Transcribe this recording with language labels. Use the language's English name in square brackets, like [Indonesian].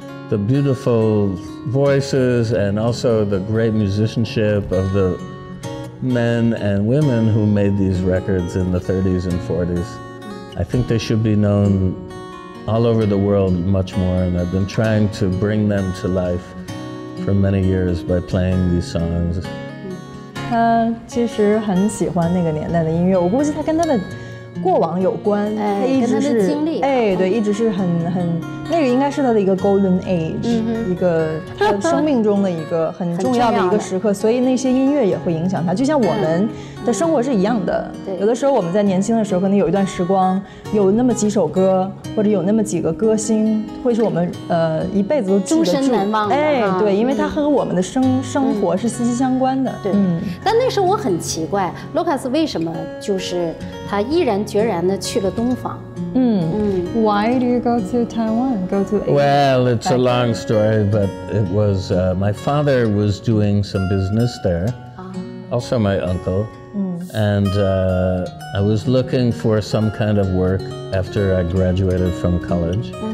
[English] the beautiful voices and also the great musicianship of the men and women who made these records in the 30s and 40s. I think they should be known all over the world much more, and I've been trying to bring them to life for many years by playing these songs. [Chinese] 他其实很喜欢那个年代的音乐，我估计他跟他的过往有关，他一直是一直是很那个应该是他的一个 golden age， 一个他生命中的一个很重要的一个时刻，所以那些音乐也会影响他，就像我们的生活是一样的。有的时候我们在年轻的时候可能有一段时光有那么几首歌或者有那么几个歌星会是我们一辈子都终身难忘的，对，因为他和我们的生活是息息相关的。对，但那时候我很奇怪 Lucas 为什么就是他毅然决然的去了东方， [English] Why do you go to Taiwan? Go to Asia? Well, it's a long story, but it was, my father was doing some business there. Also my uncle. And I was looking for some kind of work after I graduated from college.